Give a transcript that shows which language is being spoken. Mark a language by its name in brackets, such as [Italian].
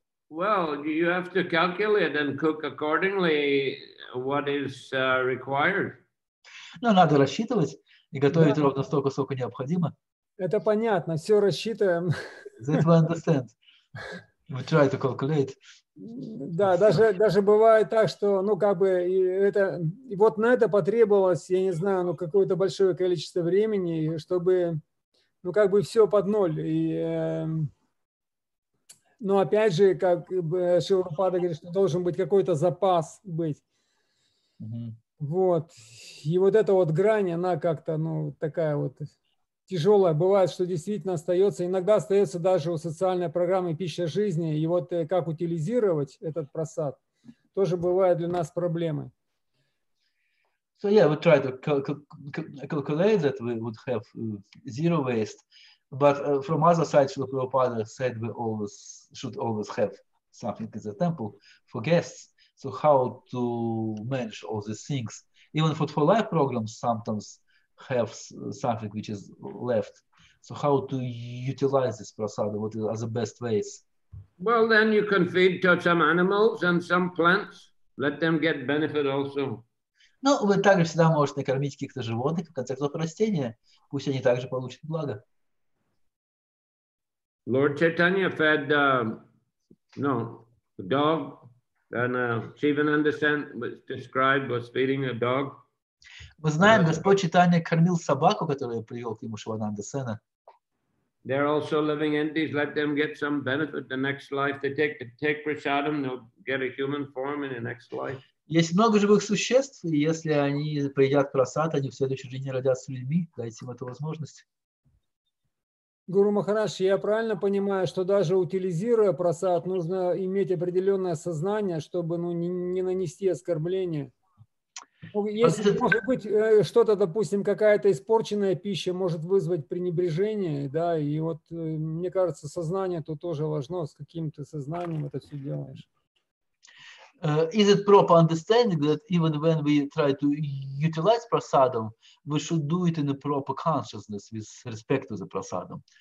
[English] Well, you have to calculate and cook accordingly what is required. [Russian] Ну, надо рассчитывать и готовить ровно столько, сколько необходимо. Это понятно, все рассчитываем. [English] That we understand. We try to calculate. [Russian] Да, даже бывает так, что, ну, как бы, это, и вот на это потребовалось, я не знаю, ну, какое-то большое количество времени, чтобы, ну, как бы, все под ноль. И, но, опять же, как бы Шрила Прабхупада говорит, что должен быть какой-то запас быть. [English] Mm-hmm. [Russian] Вот. И вот эта вот грань, она как-то, ну, такая вот... Тяжелое бывает, что действительно остается. Иногда остается даже у социальной программы «Пища жизни». И вот как утилизировать этот просад, тоже бывает для нас проблемы. [English] So yeah, we try to calculate that we would have zero waste, but from other side, Srila Prabhupada said we always should always have something in the temple for guests. So how to manage all these things? Even food for life programs sometimes have something which is left. So how to utilize this prasada? What are the best ways? Well, then you can feed to some animals and some plants. Let them get benefit also. [Russian] Ну, вы также всегда можете кормить каких-то животных, в конце концов, растения. Пусть они также получат благо. [English] Lord Chaitanya fed, a dog. And Shivananda sent, was described, was feeding a dog. [Russian] Мы знаем, Господь Чайтанья кормил собаку, которую привел к нему Шивананда Сена. [English] They're also living entities. Let them get some benefit the next life. They take prasadam, they'll get a human form in the next life. [Russian] Есть много живых существ, и если они поедят прасад, они в следующей жизни родятся людьми. Дайте им эту возможность. Гуру Махарадж, я правильно понимаю, что даже утилизируя прасад, нужно иметь определенное сознание, чтобы не нанести оскорбление? Если, может быть, что-то, допустим, какая-то испорченная пища может вызвать пренебрежение, да, и вот мне кажется, сознание тут тоже важно, с каким-то сознанием это все делаешь. [English] Is it proper understanding that even when we try to utilize prasadam, we should do it in a proper consciousness with respect to the prasadam?